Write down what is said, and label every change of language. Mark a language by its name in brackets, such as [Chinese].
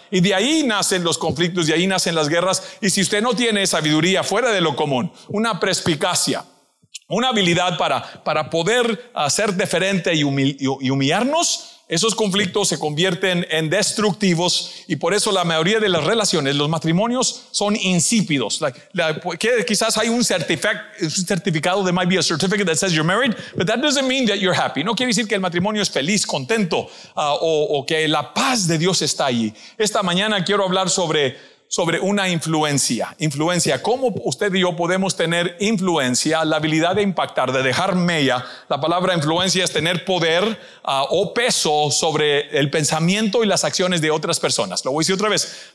[Spanish] Y de ahí nacen los conflictos, de ahí nacen las guerras. Y si usted no tiene sabiduría fuera de lo común, una perspicacia, una habilidad para poder ser diferente y humillarnos, esos conflictos se convierten en destructivos. Y por eso la mayoría de las relaciones, los matrimonios, son insípidos. Quizás hay un certificado, [English] there might be a certificate that says you're married, but that doesn't mean that you're happy. [Spanish] No quiere decir que el matrimonio es feliz, contento, o que la paz de Dios está allí. Esta mañana quiero hablar sobre sobre una influencia. Influencia, ¿cómo usted y yo podemos tener influencia, la habilidad de impactar, de dejar mella? La palabra influencia es tener poder o peso sobre el pensamiento y las acciones de otras personas. Lo voy a decir otra vez.